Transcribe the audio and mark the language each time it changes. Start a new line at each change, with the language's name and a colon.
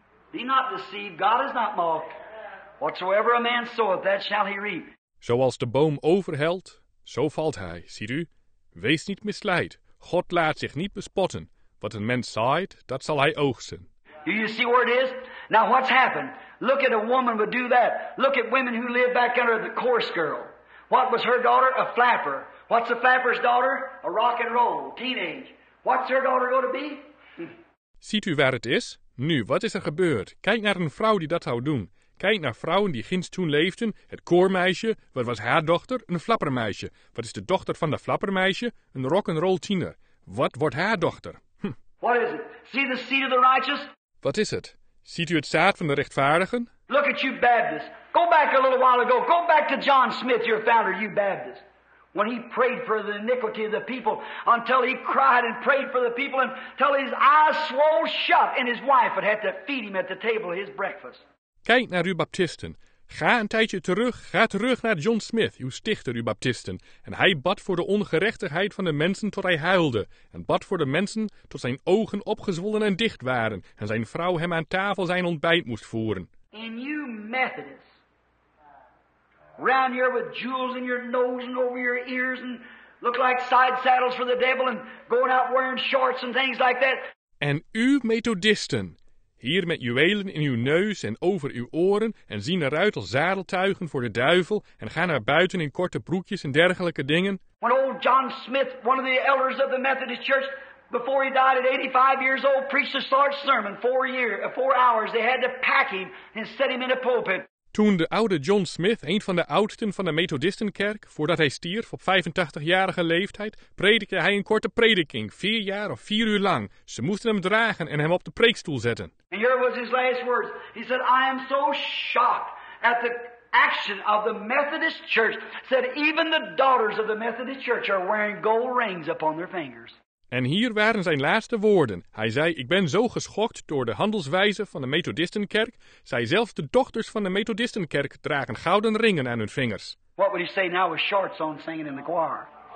English: Be not deceived, God is not mocked. Whatsoever a man soweth, that shall he reap.
Dutch: Zoals de boom overhelt, zo valt hij, ziet u. Wees niet misleid, God laat zich niet bespotten. Wat een mens zaait, dat zal hij oogsten.
English: Do you see where it is? Now what's happened? Look at a woman would do that. Look at women who live back under the chorus girl. What was her daughter? A flapper. What's a flapper's daughter? A rock and roll, teenage. What's her daughter going to be?
Dutch: Ziet u waar het is? Nu, wat is er gebeurd? Kijk naar een vrouw die dat zou doen. Kijk naar vrouwen die ginds toen leefden. Het koormeisje, wat was haar dochter? Een flappermeisje. Wat is de dochter van de flappermeisje? Een rock'n'roll tiener. Wat wordt haar dochter?
English: What is it? See the seed of the righteous?
Dutch: Wat is het? Ziet u het zaad van de rechtvaardigen?
English: Look at you Baptists. Go back a little while ago. Go back to John Smith, your founder, you Baptists. When he prayed for the iniquity of the people, until he cried and prayed for the people, until his eyes swole shut and his wife would have to feed him at the table his breakfast.
Dutch: Kijk naar uw baptisten. Ga een tijdje terug. Ga terug naar John Smith, uw stichter, uw baptisten. En hij bad voor de ongerechtigheid van de mensen tot hij huilde. En bad voor de mensen tot zijn ogen opgezwollen en dicht waren. En zijn vrouw hem aan tafel zijn ontbijt moest voeren.
English: And you Methodists, round here with jewels in your nose and over your ears and look like side saddles for the devil and going out wearing shorts and things like that.
Dutch: En u Methodisten, hier met juwelen in uw neus en over uw oren en zien eruit als zadeltuigen voor de duivel en gaan naar buiten in korte broekjes en dergelijke dingen.
English: When old John Smith, one of the elders of the Methodist Church, before he died at 85 years old, preached a short sermon, four hours, they had to pack him and set him in a pulpit.
Dutch: Toen de oude John Smith, een van de oudsten van de Methodistenkerk, voordat hij stierf op 85-jarige leeftijd, predikte hij een korte prediking, 4 jaar of 4 uur lang. Ze moesten hem dragen en hem op de preekstoel zetten.
English: And here was his last words. He said, I am so shocked at the action of the Methodist Church. Said, even the daughters of the Methodist Church are wearing gold rings upon their fingers.
Dutch: En hier waren zijn laatste woorden. Hij zei, ik ben zo geschokt door de handelswijze van de Methodistenkerk. Zij zelfs de dochters van de Methodistenkerk dragen gouden ringen aan hun vingers.
English: What would he say now with shorts on singing in the choir?